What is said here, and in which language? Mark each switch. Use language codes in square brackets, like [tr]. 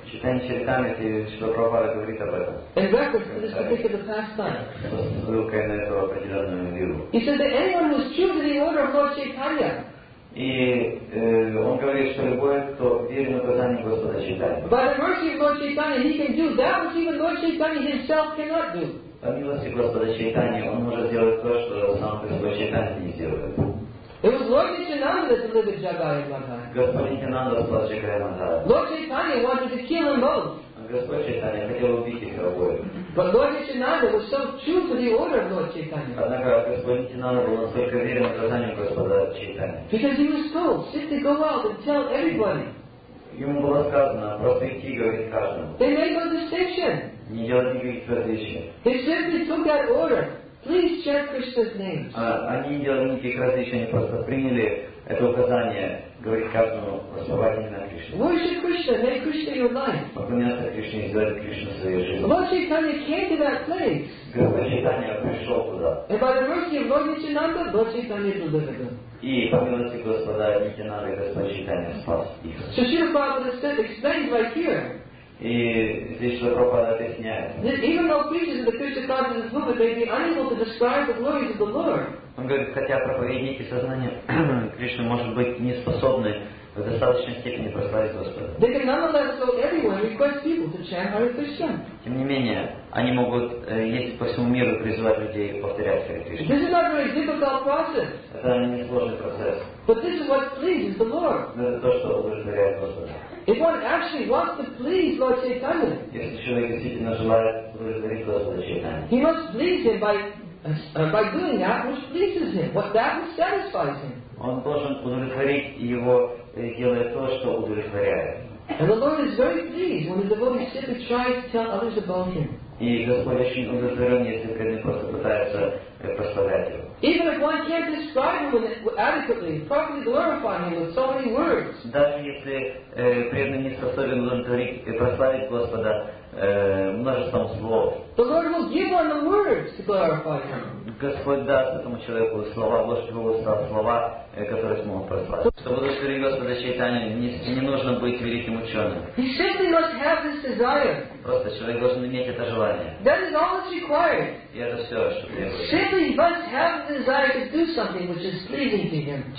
[ru] Чайтанья Чаритамрита, что Прабхупада говорит об этом. [en] In reference to this particular pastime. He said that anyone who is true to the order of Lord Chaitanya. [ru] И он говорит, что любой, кто верен указанию Господа Чайтанья. [en] By the mercy of Lord Chaitanya, he can do that which even Lord Chaitanya himself cannot do. [ru] По милости Господа Чайтанья, он может сделать то, что сам Господь Чайтанья не сделает. [en] It was Lord Nityananda that delivered Jagai and Madhai. [ru] Господь Нитянанда спас Джагая и Мадхая. [en] Lord Chaitanya wanted to kill them both. [ru] Господь Чайтанья хотел убить их обоих. [en] But Lord Nityananda was so true to the order of Lord Chaitanya. [ru] Однако Господь Нитянанда был настолько верен указанию Господа Чайтанья. [en] Because he was told simply go out and tell everybody. [ru] Ему было сказано просто идти и говорить каждому. [en] They made no distinction. [ru] Не делать никаких различий. [en] He simply took that order. Please chant Krishna's names. [ru] Они не делали никаких различий, они просто приняли это указание говорить каждому воспевать имена Кришны. [en] Worship Krishna, make Krishna your life. [ru] Поклоняться Кришне и сделать Кришну своей жизнью. [en] Lord Chaitanya came to that place. [ru] Господь Чайтанья пришел туда. [en] And by the mercy of Lord Nityananda, Lord Chaitanya delivered them. [ru] И по милости Господа Нитянанды, Господь Чайтанья спас их. [en] So Srila Prabhupada said, explained right here. [ru] И здесь что Прабхупада объясняет. [en] Even though preachers in the Krishna consciousness movement may be unable to describe the glories of the Lord. [ru] Он говорит, хотя проповедники сознания Кришны может быть не способны в достаточной степени прославить Господа. [en] They can nonetheless, so everyone requests people to chant Hare Krishna. [ru] Тем не менее, они могут ездить по всему миру и призывать людей повторять Hare Krishna. [en] This is not a very difficult process. [ru] Это не сложный процесс. [en] But this is what pleases the Lord. [ru] Но это то, что удовлетворяет Господа. [en] If one actually wants to please Lord Chaitanya, [ru] если человек действительно желает удовлетворить Господа Чайтанью, [en] he must please him by doing that which pleases him, what that which satisfies him. [ru] Он должен удовлетворить его, делая то, что удовлетворяет. [en] And the Lord is very pleased when the devotee simply tries to tell others about him. [ru] И Господь очень удовлетворен, если преданный просто пытается прославлять его. [en] Even if one can't describe him adequately, properly glorify him with so many words. [ru] Даже если преданный не способен удовлетворить и прославить Господа множеством слов. [en] The Lord will give one the words to glorify him. [ru] Господь даст этому человеку слова, вложит в его уста слова, которые смогут прославить. Чтобы удовлетворить Господа Чайтанью, не нужно быть великим ученым. [en] He simply must have this desire. [ru] Просто человек должен иметь это желание. [en] That is all that's required. [ru] И это все, что требуется. [en] Simply must have the desire to do something which is pleasing to him.